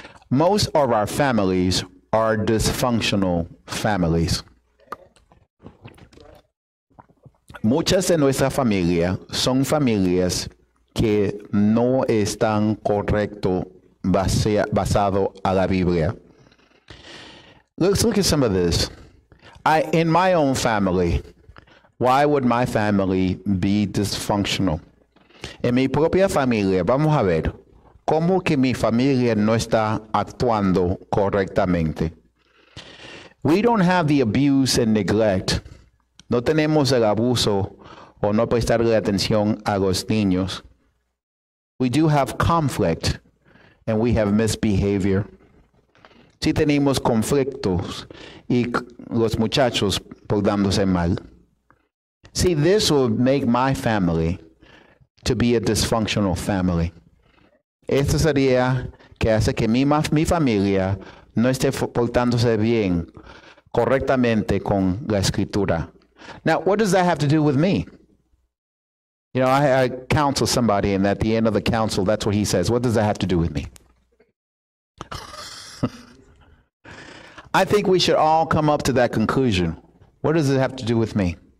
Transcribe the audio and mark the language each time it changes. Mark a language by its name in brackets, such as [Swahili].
[English] Most of our families are dysfunctional families. [Spanish] Muchas de nuestra familia son familias que no están correcto basado a la Biblia. [English] Let's look at some of this. In my own family, why would my family be dysfunctional? [Spanish] En mi propia familia, vamos a ver, ¿cómo que mi familia no está actuando correctamente? [English] We don't have the abuse and neglect. [Spanish] No tenemos el abuso o no prestarle atención a los niños. [English] We do have conflict and we have misbehavior. [Spanish] Sí tenemos conflictos y los muchachos portándose mal. [English] See, this would make my family to be a dysfunctional family. [Spanish] Esto sería que hace que mi familia no esté portándose bien correctamente con la escritura. [English] Now, what does that have to do with me? You know, I counsel somebody, and at the end of the counsel, that's what he says. What does that have to do with me? I think we should all come up to that conclusion. What does it have to do with me?